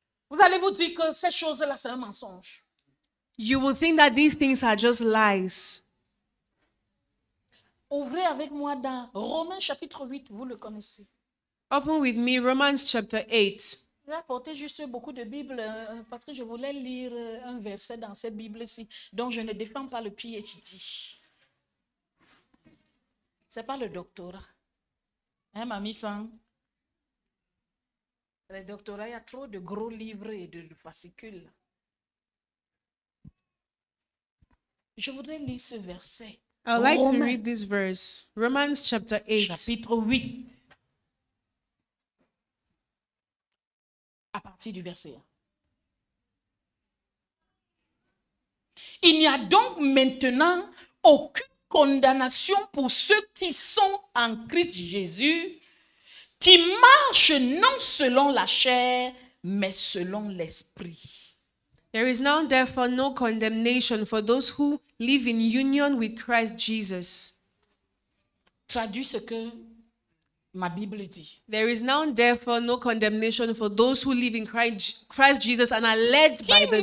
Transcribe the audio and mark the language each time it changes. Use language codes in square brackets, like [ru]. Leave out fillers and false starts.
[fr] Vous allez vous dire que ces choses-là, c'est un mensonge. [en] You will think that these things are just lies. [fr] Ouvrez avec moi dans Romains chapitre 8, vous le connaissez. [en] Open with me, Romans chapter 8. [fr] Je vais apporter juste beaucoup de Bibles parce que je voulais lire un verset dans cette Bible-ci dont je ne défends pas le PhD. C'est pas le doctorat. Hein, mamie sang? Le doctorat, il y a trop de gros livres et de fascicules. Je voudrais lire ce verset. [en] I'd like to read this verse. Romans chapter 8. [fr] Chapitre 8. À partir du verset 1. Il n'y a donc maintenant aucune condamnation pour ceux qui sont en Christ Jésus, qui marchent non selon la chair, mais selon l'esprit. [en] There is now therefore no condemnation for those who live in union with Christ Jesus. [fr] Traduis ce que ma Bible dit. [en] There is now therefore no condemnation for those who live in Christ Jesus and are led [fr] qui [en] by the Spirit.